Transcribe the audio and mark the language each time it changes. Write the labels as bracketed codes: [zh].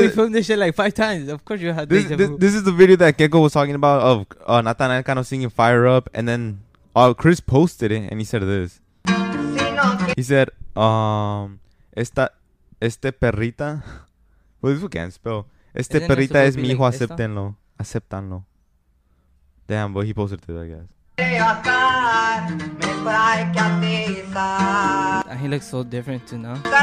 [en] We filmed this shit like 5 times. Of course, you had deja vu. This is the video that Gecko was talking about of Nathan kind of singing Fire Up, and then Chris posted it, and he said this. He said, [es] "Este perrita." [en] Well, this is what can't spell. [es] Este perrita es mi hijo, aceptenlo. Aceptanlo. [en] Damn, but he posted it, I guess. And he looks so different too now.